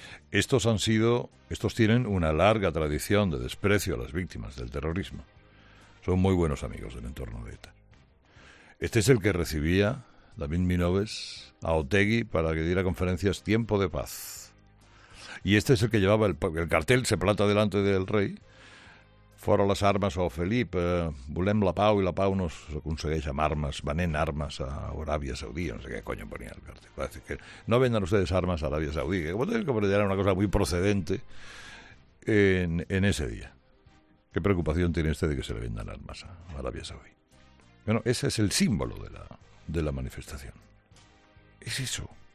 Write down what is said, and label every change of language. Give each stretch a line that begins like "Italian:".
Spanish: Estos tienen una larga tradición de desprecio a las víctimas del terrorismo. Son muy buenos amigos del entorno de ETA. Este es el que recibía David Minoves a Otegi para que diera conferencias Tiempo de Paz. Y este es el que llevaba el cartel, se planta delante del rey.
Catalan: Fora las armas, o Felipe, volem la pau, y la pau nos aconsegueix amb armes, venent armes a Aràbia Saudí,
Spanish: no sé què coño ponía el cartel. Parece que no vendan ustedes armas a Aràbia Saudí, que puede que era una cosa muy procedente en ese día. ¿Qué preocupación tiene este de que se le vendan armas a Arabia Saudí? Bueno, ese es el símbolo de la manifestación. Es eso.